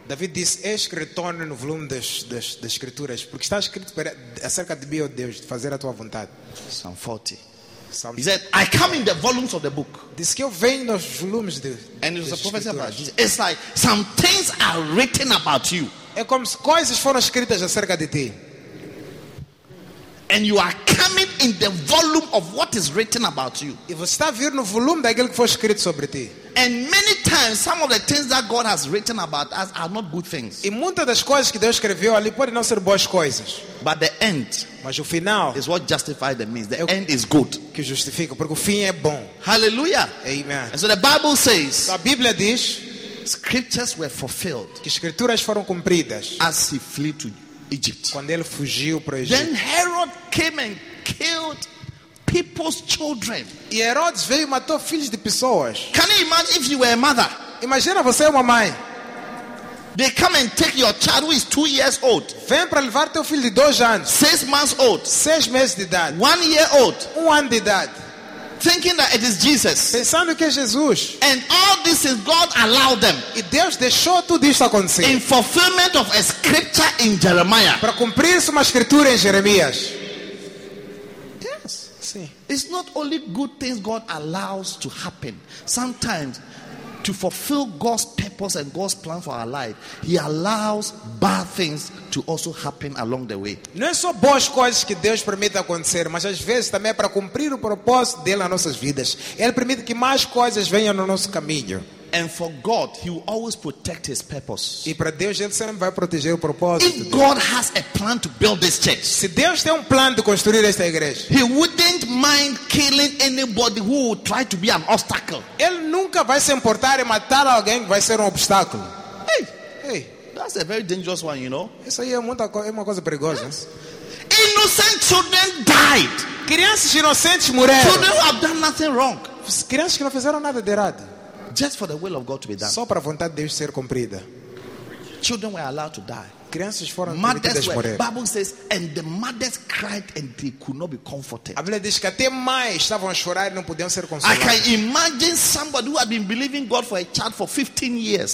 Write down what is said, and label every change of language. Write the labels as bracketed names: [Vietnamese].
[Portuguese] David disse, "Eis que retorno no volume das escrituras, porque está escrito acerca de mim, ó Deus, de fazer a tua vontade." [English] Psalm 40. He said, "I come in the volumes of the book." [Portuguese] Diz que eu venho nos volumes de. [English] And it was a prophecy about Jesus. It's like some things are written about you. [Portuguese] É como se coisas foram escritas acerca de ti. [English] And you are coming in the volume of what is written about you. [Portuguese] E você está vindo no volume daquilo que foi escrito sobre ti. [English] And many times, some of the things that God has written about us are not good things. [Portuguese] E muitas das coisas que Deus escreveu ali podem não ser boas coisas. [English] But the end, [Portuguese] mas o final, [English] is what justifies the means. The end is good. [Portuguese] Que justifica, porque o fim é bom. [English] Hallelujah. Amen. And so the Bible says, [Portuguese] a Bíblia diz, [English] scriptures were fulfilled. [Portuguese] Que escrituras foram cumpridas. [English] As he fled to Egypt. [Portuguese] Quando ele fugiu para o Egito. [English] Then Herod came and killed people's children. [Portuguese] E Herodes veio e matou filhos de pessoas. [English] Can you imagine if you were a mother? [Portuguese] Imagina você é uma mãe. [English] They come and take your child who is 2 years old. [Portuguese] Vem para levar teu filho de 2 anos. [English] 6 months old. [Portuguese] 6 meses de idade. [English] 1 year old. [Portuguese] 1 ano de idade. [English] Thinking that it is Jesus. [Portuguese] Pensando que é Jesus. [English] And all this is God allowed them. [Portuguese] E Deus deixou tudo isso acontecer. [English] In fulfillment of a scripture in Jeremiah. [Portuguese] Para cumprir uma escritura em Jeremias. [English] Yes. [Portuguese] Sim. [English] It's not only good things God allows to happen. Sometimes, to fulfill God's purpose and God's plan for our life, He allows bad things to also happen along the way. [Portuguese] Não é só boas coisas que Deus permite acontecer, mas às vezes também é para cumprir o propósito dele nas nossas vidas. Ele permite que mais coisas venham no nosso caminho. [English] And for God, He will always protect His purpose. [Portuguese] E para Deus, Ele sempre vai proteger o propósito. [English] If God has a plan to build this church, [Portuguese] se Deus tem plano de construir esta igreja, [English] He wouldn't mind killing anybody who would try to be an obstacle. [Portuguese] Ele nunca vai se importar em matar alguém que vai ser obstáculo. [English] Hey, hey, that's a very dangerous one, you know. [Portuguese] Isso aí é uma coisa perigosa. Yes. [English] Innocent children died. [Portuguese] Crianças inocentes morreram. [English] Children who have done nothing wrong. [Portuguese] Crianças que não fizeram nada de errado. [English] Just for the will of God to be done. [Portuguese] Só para a vontade de Deus ser cumprida. [English] Children were allowed to die. [Portuguese] Crianças foram permitidas morrer. [English] The Bible says, and the mothers cried and they could not be comforted. [Portuguese] A Bíblia diz que até mães estavam a chorar e não podiam ser consoladas. [English] I can imagine somebody who had been believing God for a child for 15 years.